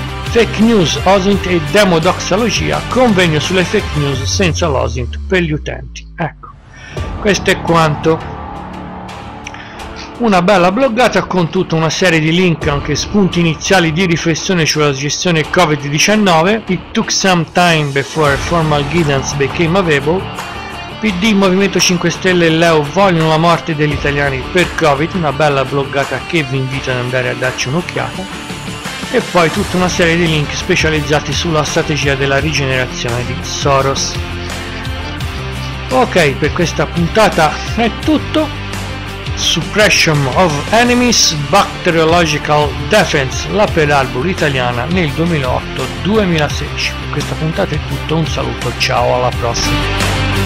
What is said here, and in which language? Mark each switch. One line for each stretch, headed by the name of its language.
Italian: Fake news, OSINT e demodoxologia, convegno sulle fake news senza l'OSINT per gli utenti. Ecco, questo è quanto. Una bella bloggata con tutta una serie di link, anche spunti iniziali di riflessione sulla gestione Covid-19.
English: It took some time before formal guidance became available.
Italian: PD, Movimento 5 Stelle e Leo vogliono la morte degli italiani per Covid. Una bella bloggata che vi invito ad andare a darci un'occhiata. E poi tutta una serie di link specializzati sulla strategia della rigenerazione di Soros. Ok, per questa puntata è tutto.
English: Suppression of Enemies, Bacteriological Defense,
Italian: la Pearl Harbor italiana nel 2008-2016. Questa puntata è tutto, un saluto, ciao, alla prossima.